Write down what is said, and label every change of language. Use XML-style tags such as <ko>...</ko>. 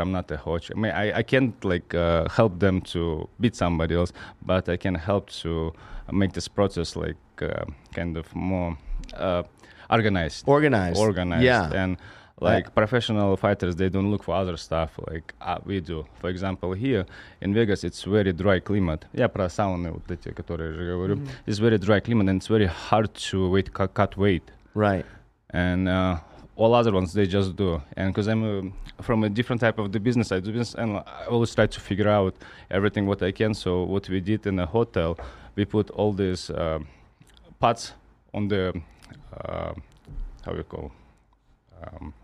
<en>I'm not a coach. I mean, I can't, like, help them to beat somebody else, but I can help to make this process, like, kind of more organized. Organized. Yeah. And, like, professional fighters, they don't look for other stuff like we do. For example, here in Vegas, it's very dry climate.</en> <ru>Yeah, про сауны, вот эти, которые я говорю.</ru> <en>It's very dry climate, and it's very hard to cut weight. Right. And all other ones, they just do. And because I'm from a different type of the business, I do business, and I always try to figure out everything what I can. So what we did in a hotel, we put all these pads on the, how you call it?</en>